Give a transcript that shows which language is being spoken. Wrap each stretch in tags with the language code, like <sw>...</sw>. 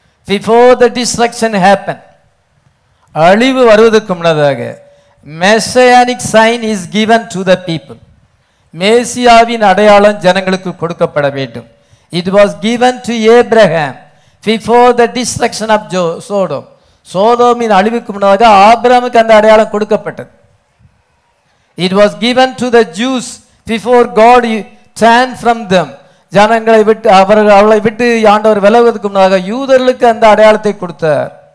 <en>before the destruction happen,</en> <ta>அழிவு வருவதற்கு முன்னதாக</ta> <en>Messianic sign is given to the people.</en> <ta>மேசியாவின் அடையாளம் ஜனங்களுக்கு கொடுக்கப்பட வேண்டும்.</ta> <en>It was given to Abraham before the destruction of Sodom.</en> <ta>சோதோமின் அழிவுக்கு முன்னதாக ஆபிரகாமுக்கு அந்த அடையாளம் கொடுக்கப்பட்டது.</ta> <en>It was given to the Jews before God turned from them.</en> <ta>ஜனங்களை விட்டு அவர்களை விட்டு ஆண்டவர் விலகுவதற்கு முன்னதாக யூதர்களுக்கு அந்த அடையாளத்தை கொடுத்தார்.</ta>